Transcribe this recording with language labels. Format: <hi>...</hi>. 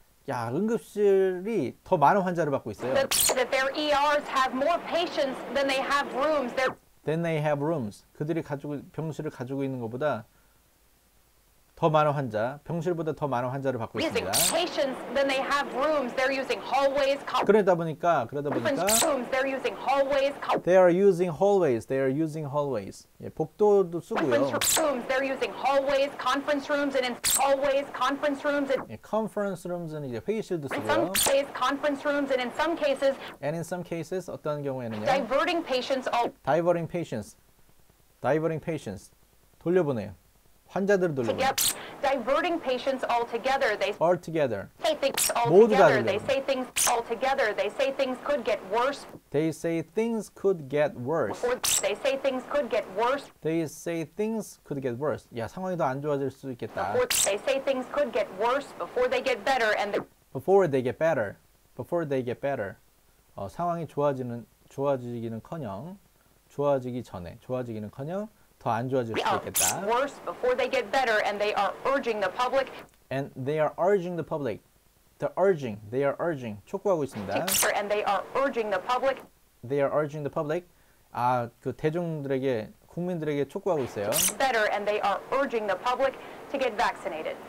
<ko>야, 응급실이 더 많은 환자를 받고 있어요.</ko> <en>That their ERs have more patients than they have rooms. Then they have rooms.</en> <ko>그들이 가지고 병실을 가지고 있는 것보다 더 많은 환자, 병실보다 더 많은 환자를 받고 있습니다.</ko> <en>Patients, then they have rooms. They're using hallways.</en> <ko>그러다 보니까</ko> <en>rooms, they're using hallways. They are using hallways. They are using hallways.</en> <ko>예, 복도도 쓰고요.</ko> <en>Conference rooms, they're using hallways. Conference rooms and in hallways, conference rooms and</en> <ko>예,</ko> <en>conference rooms and</en> <ko>이제 회의실도 쓰고요.</ko> <en>In some cases, conference rooms and in some cases. And in some cases,</en> <ko>어떤 경우에는요?</ko> <en>Diverting patients. Diverting patients. Diverting patients.</en> <ko>돌려보내요. 환자들을 돌려보내요.</ko> <en>Diverting patients altogether. They all together. Say things altogether. They say things altogether. They say things could get worse. They say things could get worse. Or they say things could get worse. They say things could get worse.</en> <ko>야, 상황이 더 안 좋아질 수 있겠다.</ko> <en>Or they say things could get worse before they get better and before they get better. Before they get better.</en> <ko>상황이 좋아지는 좋아지기는커녕 좋아지기 전에 좋아지기는커녕 더 안 좋아질 수도 있겠다.</ko> <en>Worse before they get better, and they are urging the public. And they are urging the public. They're urging. They are urging.</en> <ko>촉구하고 있습니다.</ko> <en>And they are urging the public. They are urging the public.</en> <ko>아, 그 대중들에게, 국민들에게 촉구하고 있어요.</ko> <en>Better, and they are urging the public to get vaccinated.</en>